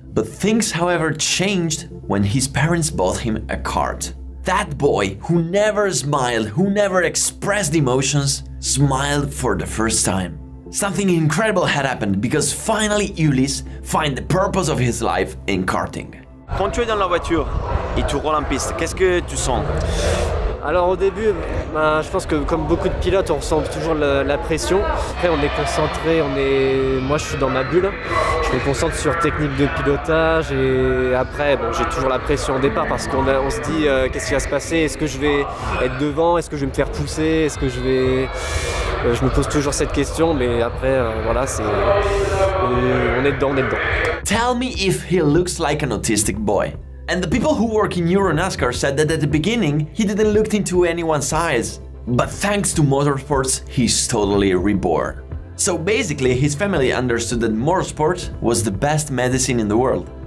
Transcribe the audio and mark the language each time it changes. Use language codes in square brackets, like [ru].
[en] But things, however, changed when his parents bought him a kart. That boy, who never smiled, who never expressed emotions, smiled for the first time. Something incredible had happened, because finally Ulysse found the purpose of his life in karting. [fr] Quand tu es dans la voiture et tu roules en piste, qu'est-ce que tu sens? Alors au début, bah, je pense que comme beaucoup de pilotes, on ressent toujours la pression. Après, on est concentré, moi je suis dans ma bulle. Je me concentre sur technique de pilotage et après, bon, j'ai toujours la pression au départ parce qu'on se dit qu'est-ce qui va se passer? Est-ce que je vais être devant? Est-ce que je vais me faire pousser? Est-ce que je vais... Je me pose toujours cette question, mais après, voilà, c'est... On est dedans. [en] Tell me if he looks like an autistic boy. And the people who work in EuroNASCAR said that at the beginning, he didn't look into anyone's eyes. But thanks to motorsports, he's totally reborn. So basically, his family understood that motorsport was the best medicine in the world.